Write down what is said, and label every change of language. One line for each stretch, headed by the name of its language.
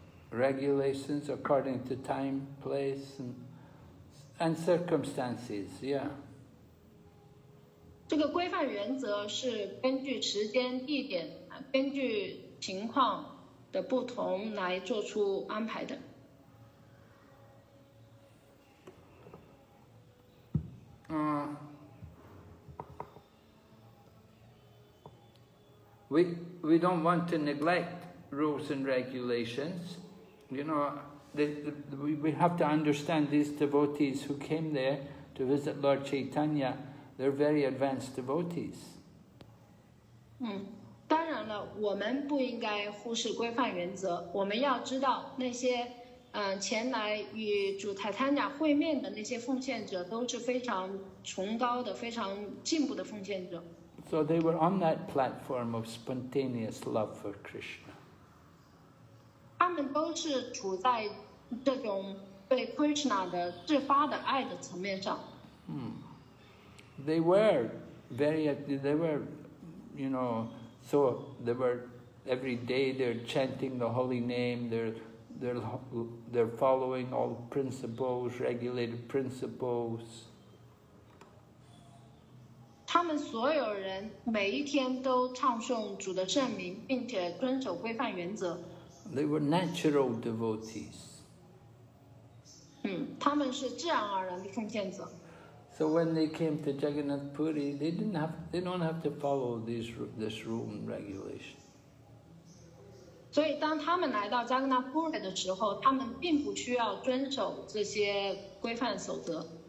English: Regulations according to time, place, and circumstances, yeah.
Chinese: 这个规范原则是根据时间、地点、根据情况的不同来做出安排的。
English: We don't want to neglect rules and regulations. You know, we have to understand these devotees who came there to visit Lord Chaitanya, they're very advanced devotees.
Chinese: 当然了，我们不应该忽视规范原则，我们要知道那些前来与主台坦雅会面的那些奉献者都是非常崇高的、非常进步的奉献者。
English: So they were on that platform of spontaneous love for Krishna.
Chinese: 他们都是处在这种对 Krishna 的自发的爱的层面上。
English: They were very, they were, you know, so they were every day they're chanting the holy name, they're following all principles, regulated principles.
Chinese: 他们所有人每一天都唱诵主的圣名，并且遵守规范原则。
English: They were natural devotees.
Chinese: 他们是自然而然的奉献者。
English: So when they came to Jagannath Puri, they don't have to follow this rule and regulation.
Chinese: 所以当他们来到 Jagannath Puri 的时候，他们并不需要遵守这些规范守则。